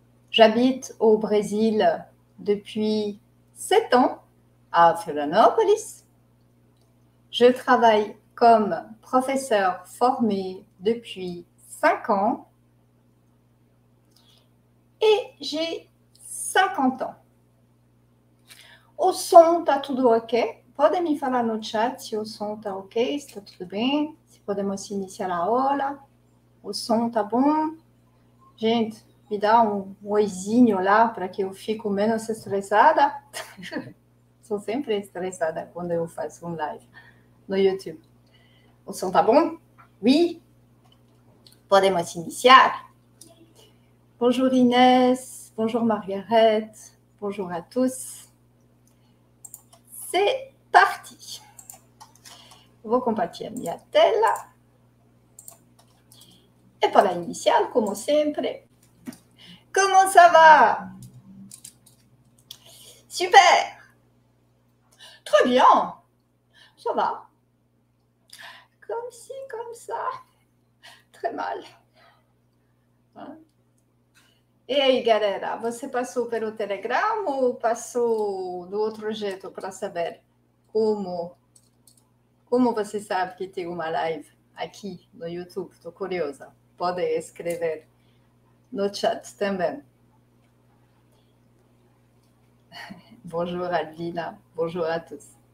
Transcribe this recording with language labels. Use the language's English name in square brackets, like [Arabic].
[French] J'habite au Brésil depuis 7 ans à Florianópolis. Je travaille comme professeur formé depuis 5 ans et j'ai 50 ans. [Portuguese] O som está tudo ok? Podem me falar no chat se o som está ok, está tudo bem? Podemos iniciar a aula. O som tá bom? Gente, me dá um oizinho lá para que eu fico menos estressada. Sou sempre estressada quando eu faço um live no YouTube. O som tá bom? [French] Oui? [Portuguese] Podemos iniciar? [French] Bonjour Inès, bonjour Margaret, bonjour a tous. C'est parti. [Portuguese] Vou compartilhar minha tela. [French] Et pour la initiale, comme sempre. Comment ça va? Super! Très bien! Ça va. Comme ci, comme ça. Très mal. Hein? [Portuguese] Et aí, galera, você passou pelo Telegram ou passou do outro jeito para saber como você sabe que tem uma live aqui no YouTube? Tô curiosa. Pode escrever no chat também. [French] Bonjour Alvina, bonjour à tous.